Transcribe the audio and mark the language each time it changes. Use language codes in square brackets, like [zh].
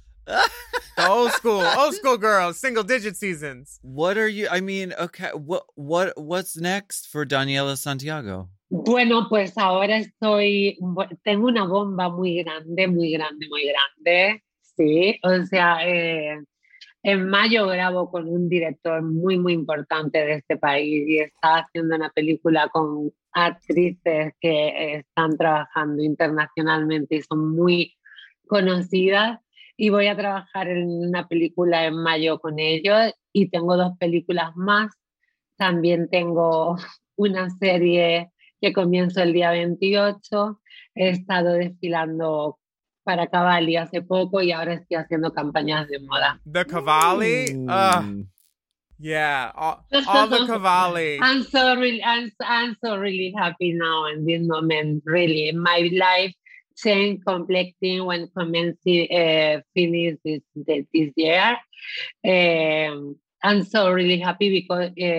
[en] The old school girls, single digit seasons. What are you? I mean, okay. What's next for Daniela Santiago? [es] Bueno, pues ahora tengo una bomba muy grande, muy grande, muy grande. Sí, o sea, en mayo grabo con un director muy muy importante de este país y está haciendo una película con actrices que están trabajando internacionalmente y son muy conocidas, y voy a trabajar en una película en mayo con ellos, y tengo dos películas más. También tengo una serie que comienzo el día 28. He estado desfilando para Cavalli hace poco y ahora estoy haciendo campañas de moda. [en] The Cavalli. Yeah, all the Cavalli. I'm so really happy now in this moment. Really, my life changed completely when commencing finish this year. I'm so really happy because